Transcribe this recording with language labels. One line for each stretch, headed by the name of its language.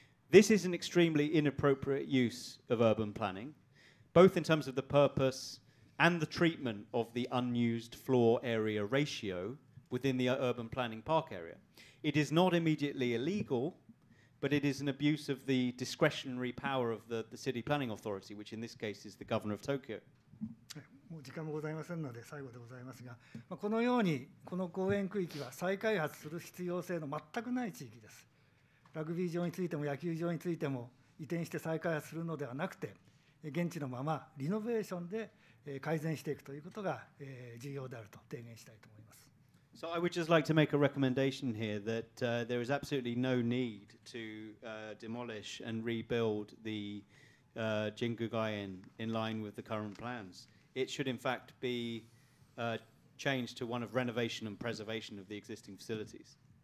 English: This is an extremely inappropriate use of urban planning, both in terms of the purpose and the treatment of the unused floor area ratio within the urban planning park area. It is not immediately illegal, but it is an abuse of the discretionary power of the city planning authority, which in this case is the governor of Tokyo.
Japanese: もう時間もございませんので最後でございますが、まあ、このようにこの公園区域は再開発する必要性の全くない地域です。ラグビー場についても野球場についても移転して再開発するのではなくて、現地のままリノベーションで改善していくということが重要であると提言したいと思います。
English: So I would just like to make a recommendation here that there is absolutely no need to demolish and rebuild the Jingu Gaien in line with the current plans. It should in fact be changed to one of renovation and preservation of the existing facilities.